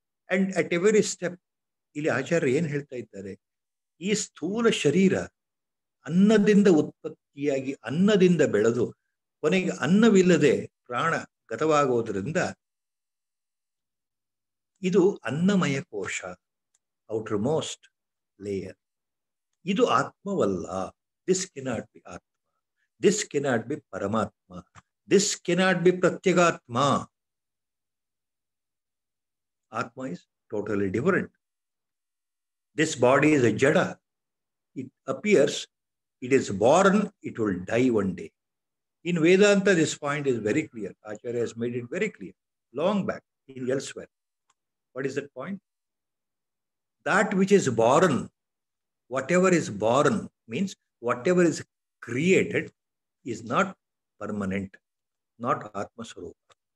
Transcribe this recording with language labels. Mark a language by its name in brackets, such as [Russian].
[English] And at every step, [Kannada] ili acharya en helta iddare, ee sthula sharira, annadinda utpattiyagi, annadinda beladu, ಕೊನೆಗೆ ಅನ್ನವಿಲ್ಲದೆ ಪ್ರಾಣ ಗತವಾಗುವುದರಿಂದ ಇದು ಅನ್ನಮಯ ಕೋಶ, [English] Outermost layer. [Kannada] ಇದು ಆತ್ಮವಲ್ಲ. [English] This cannot be ಆತ್ಮ, this cannot be ಪರಮಾತ್ಮ, this cannot be ಪ್ರತ್ಯಗಾತ್ಮ. ಆತ್ಮ is totally different. This body is a ಜಡ, it appears, it is born, it will die one day. In Vedanta, this point is very clear. Acharya has made it very clear. Long back, in elsewhere. What is that point? That which is born, whatever is born, means whatever is created, is not permanent, not Atma Swarupa.